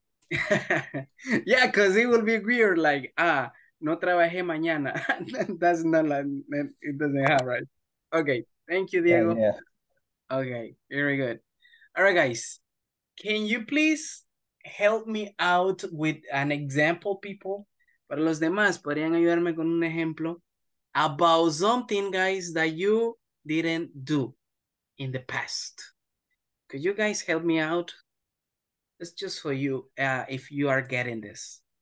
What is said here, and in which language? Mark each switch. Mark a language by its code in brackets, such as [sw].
[en] Yeah, because it will be weird, like, [es] no trabajé mañana. [en] That's not like, it doesn't have, right? Okay, thank you, Diego. Yeah. Okay, very good. All right, guys, can you please help me out with an example, people? [es] Para los demás, ¿podrían ayudarme con un ejemplo? [en] About something, guys, that you didn't do in the past. Could you guys help me out? It's just for you, if you are getting this.